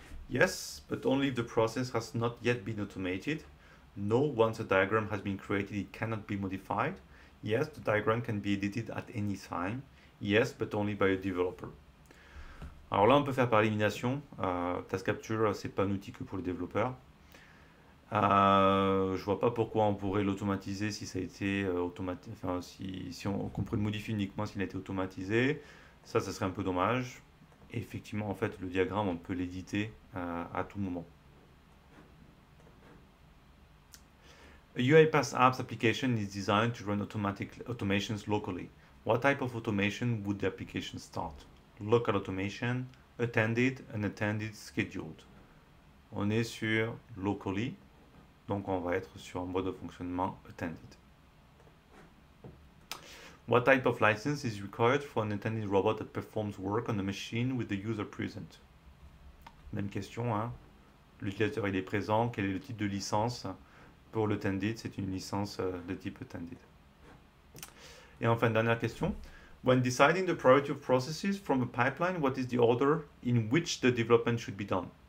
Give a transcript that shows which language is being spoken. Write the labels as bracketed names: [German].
[English] Yes, but only if the process has not yet been automated. No, once a diagram has been created, it cannot be modified. Yes, the diagram can be edited at any time. Yes, but only by a developer. [French] Alors là, on peut faire par élimination. Task Capture, ce n'est pas un outil que pour les développeurs. Je ne vois pas pourquoi on pourrait l'automatiser si ça a été automatisé. Enfin, si on pourrait le modifier uniquement s'il a été automatisé. Ça serait un peu dommage. Et effectivement, en fait, le diagramme, on peut l'éditer à tout moment. [English] A UiPath apps application is designed to run automations locally. What type of automation would the application start? Local automation, attended, unattended, scheduled. [French] On est sur locally, donc on va être sur un mode de fonctionnement attended. [English] What type of license is required for an attended robot that performs work on a machine with the user present? [French] Même question, hein. L'utilisateur il est présent, quel est le type de licence? Pour le tended, c'est une licence de type tended. Et enfin, dernière question. [English] When deciding the priority of processes from a pipeline, what is the order in which the development should be done?